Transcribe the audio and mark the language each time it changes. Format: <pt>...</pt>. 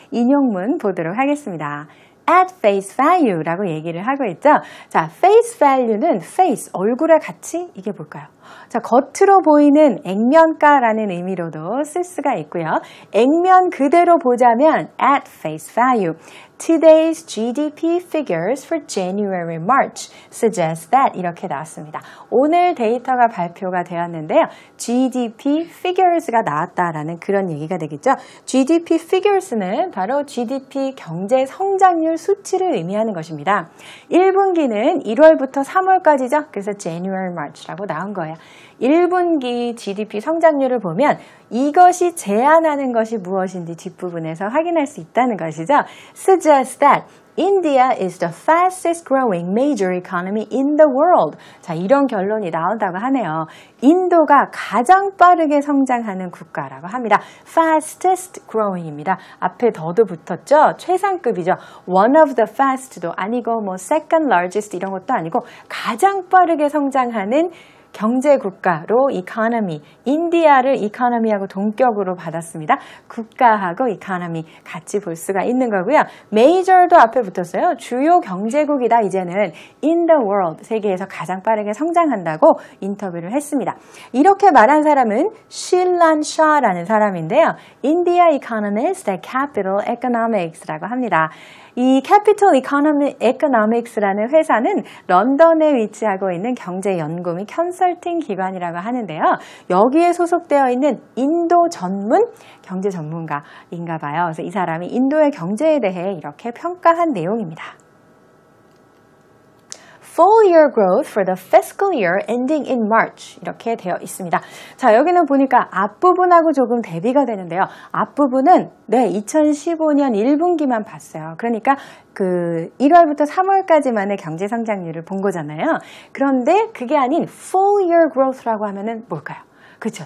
<ko>인용문 보도록 하겠습니다.</ko> <en>At face value</en> <ko>라고 얘기를 하고 있죠. 자, face value는 face, 얼굴의 가치, 이게 뭘까요? 자, 겉으로 보이는 액면가라는 의미로도 쓸 수가 있고요. 액면 그대로 보자면</ko> <en>at face value. Today's GDP figures for January, March suggest that</en> <ko>이렇게 나왔습니다. 오늘 데이터가 발표가 되었는데요. GDP figures가 나왔다라는 그런 얘기가 되겠죠. GDP figures는 바로 GDP 경제 성장률 수치를 의미하는 것입니다. 1분기는 1월부터 3월까지죠. 그래서 January, March라고 나온 거예요. 1분기 GDP 성장률을 보면 이것이 제안하는 것이 무엇인지 뒷부분에서 확인할 수 있다는 것이죠.</ko> <en>Suggest that India is the fastest growing major economy in the world.</en> <ko>자, 이런 결론이 나온다고 하네요. 인도가 가장 빠르게 성장하는 국가라고 합니다.</ko> <en>Fastest growing입니다.</en> <ko>앞에 더도 붙었죠? 최상급이죠.</ko> <en>One of the fast</en> <ko>도 아니고 뭐</ko> <en>second largest</en> <ko>이런 것도 아니고 가장 빠르게 성장하는 경제 국가로 economy, 인디아를 economy하고 동격으로 받았습니다. 국가하고 economy 같이 볼 수가 있는 거고요. major도 앞에 붙었어요. 주요 경제국이다 이제는</ko> <en>in the world,</en> <ko>세계에서 가장 빠르게 성장한다고 인터뷰를 했습니다. 이렇게 말한 사람은 실란 샤라는 사람인데요.</ko> <en>India economist, the capital economics</en> <ko>라고 합니다. 이 Capital Economics라는 회사는 런던에 위치하고 있는 경제연구 및 컨설팅 기관이라고 하는데요. 여기에 소속되어 있는 인도 전문 경제 전문가인가 봐요. 그래서 이 사람이 인도의 경제에 대해 이렇게 평가한 내용입니다.</ko> <en>Full year growth for the fiscal year ending in March</en> <ko>이렇게 되어 있습니다. 자, 여기는 보니까 앞부분하고 조금 대비가 되는데요. 앞부분은 네, 2015년 1분기만 봤어요. 그러니까 그 1월부터 3월까지만의 경제 성장률을 본 거잖아요. 그런데 그게 아닌</ko> <en>full year growth</en> <ko>라고 하면은 뭘까요? 그렇죠.</ko>